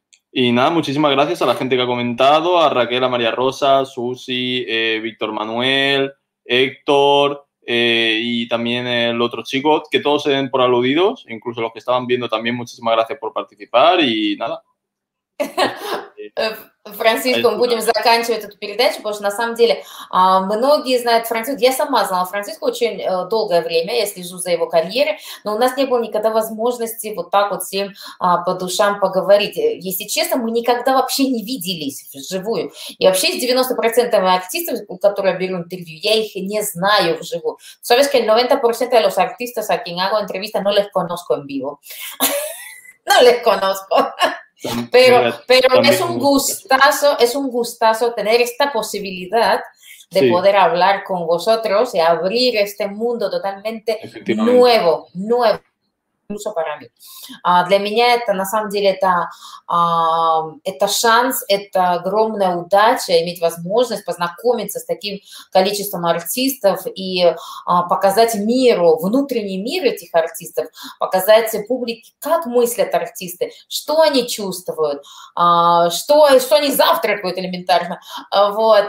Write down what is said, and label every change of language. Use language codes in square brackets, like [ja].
[es] Y nada, muchísimas gracias a la gente que ha comentado, a Raquel, a María Rosa, Susi, Víctor Manuel, Héctor y también el otro chico, que todos se den por aludidos, incluso los que estaban viendo también, muchísimas gracias por participar y nada. [ru] Франциско, будем заканчивать эту передачу, потому что на самом деле многие знают Франциско, я сама знала Франциско очень долгое время, я слежу за его карьерой, но у нас не было никогда возможности вот так вот всем по душам поговорить. Если честно, мы никогда вообще не виделись вживую. И вообще с 90% артистов, у которых я беру интервью, я их не знаю вживую. [es] Sabes que el 90% de los artistas a quien hago entrevista no les conozco en vivo. No les conozco. Pero es un gustazo tener esta posibilidad de poder hablar con vosotros y abrir este mundo totalmente nuevo, incluso para mí. [ru] Для меня это, на самом деле, это шанс, это огромная удача иметь возможность познакомиться с таким количеством артистов и показать миру, внутренний мир этих артистов, показать публике, как мыслят артисты, что они чувствуют, что они завтракают элементарно. Вот.